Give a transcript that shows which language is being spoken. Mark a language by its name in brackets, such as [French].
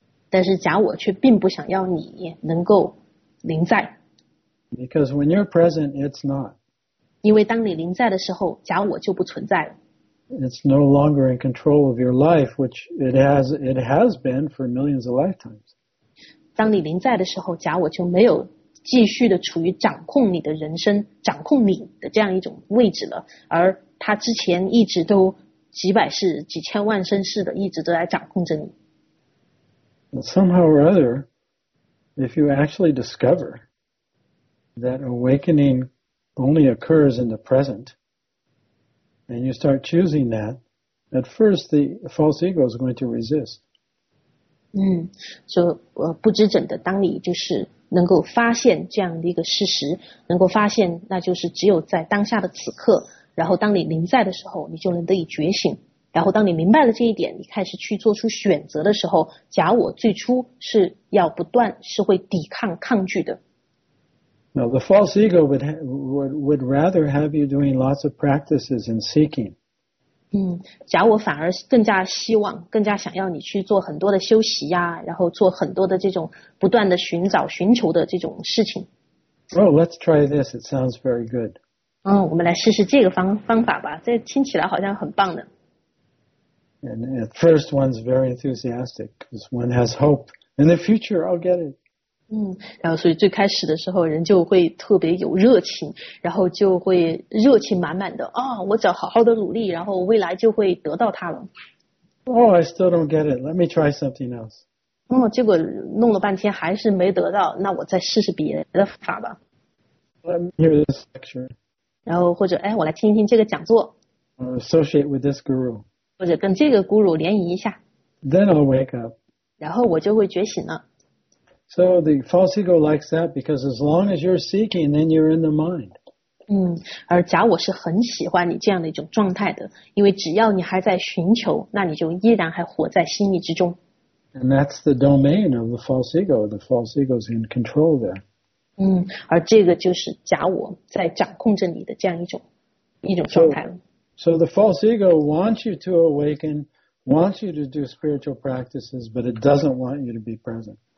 [Chinese] 但是假我却并不想要你能够临在。 [English] Because when you're present, it's not. [Chinese] 因为当你临在的时候，假我就不存在了。 [English] It's no longer in control of your life, which it has been for millions of lifetimes. [Chinese] 当你临在的时候，假我就没有继续的处于掌控你的人生、掌控你的这样一种位置了，而他之前一直都几百世、几千万生世的一直都在掌控着你。 [English] But somehow or other, if you actually discover that awakening only occurs in the present, and you start choosing that, at first the false ego is going to resist. [Chinese] 嗯，所以不知怎的，当你就是能够发现这样的一个事实，能够发现那就是只有在当下的此刻，然后当你临在的时候，你就能得以觉醒。然后当你明白了这一点，你开始去做出选择的时候，假我最初是要不断是会抵抗抗拒的。 [English] Now, the false ego would rather have you doing lots of practices and seeking. [Chinese] 嗯，假我反而更加希望，更加想要你去做很多的修习呀，然后做很多的这种不断的寻找、寻求的这种事情。 [English] Oh, let's try this. It sounds very good. [Chinese] 嗯，我们来试试这个方法吧，这听起来好像很棒的。 [English] And at first, one's very enthusiastic because one has hope. In the future, I'll get it. [Chinese] 嗯，然后所以最开始的时候，人就会特别有热情，然后就会热情满满的啊、哦，我只要好好的努力，然后未来就会得到它了。 [English] Oh, I still don't get it. Let me try something else. [Chinese] 哦、嗯，结果弄了半天还是没得到，那我再试试别的法吧。 [English] Let me hear this lecture. [Chinese] 然后或者哎，我来听一听这个讲座。 [English] Associate with this guru. [Chinese] 或者跟这个guru联谊一下。 [English] Then I'll wake up. [Chinese] 然后我就会觉醒了。 [English] So the false ego likes that because as long as you're seeking, then you're in the mind. [Chinese] 嗯，而假我是很喜欢你这样的一种状态的，因为只要你还在寻求，那你就依然还活在心意之中。 [English] And that's the domain of the false ego. The false ego is in control there. [Chinese] 嗯，而这个就是假我在掌控着你的这样一种状态了。 [English] So the false ego wants you to awaken, wants you to do spiritual practices, but it doesn't want you to be present.